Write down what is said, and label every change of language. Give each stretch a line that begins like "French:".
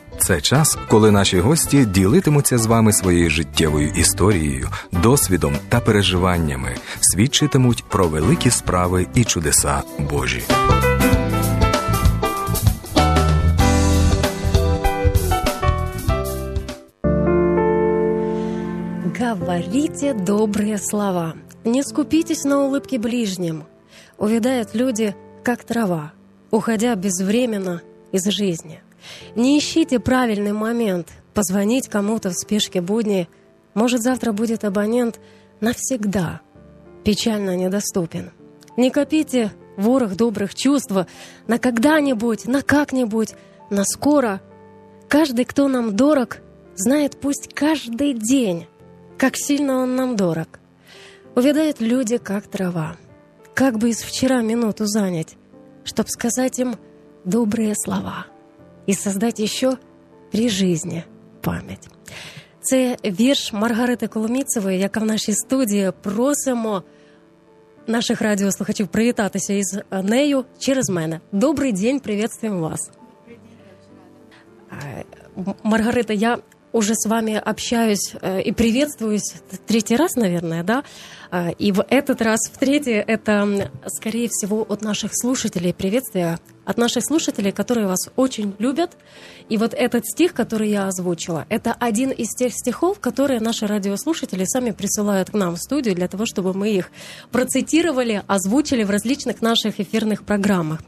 Ukrainian: Це час, коли наші гості ділитимуться з вами своєю життєвою історією, досвідом та переживаннями, свідчитимуть про великі справи і чудеса Божі. Говоріть добрі слова.
Russian: Не скупіться на улыбки ближнім. Увядают люди, как трава, уходя безвременно из жизни. Не ищите правильный момент позвонить кому-то в спешке будни. Может, завтра будет абонент навсегда печально недоступен. Не копите ворох добрых чувств на когда-нибудь, на как-нибудь, на скоро. Каждый, кто нам дорог, знает пусть каждый день, как сильно он нам дорог. Увядают люди, как трава. Как бы из вчера минуту занять, чтоб сказать им добрые слова и создать еще при жизни память.
Ukrainian: Це вірш Маргарити Коломіцевої, яка в нашій студії. Просимо наших радіослухачів привітатися із нею через мене. Добрий день, приветствуємо вас.
Russian: Маргарита, я уже с вами общаюсь и приветствуюсь третий раз, наверное, да? И в этот раз, в третий, это, скорее всего, от наших слушателей приветствия, от наших слушателей, которые вас очень любят. И вот этот стих, который я озвучила, это один из тех стихов, которые наши радиослушатели сами присылают к нам в студию для того, чтобы мы их процитировали, озвучили в различных наших эфирных программах.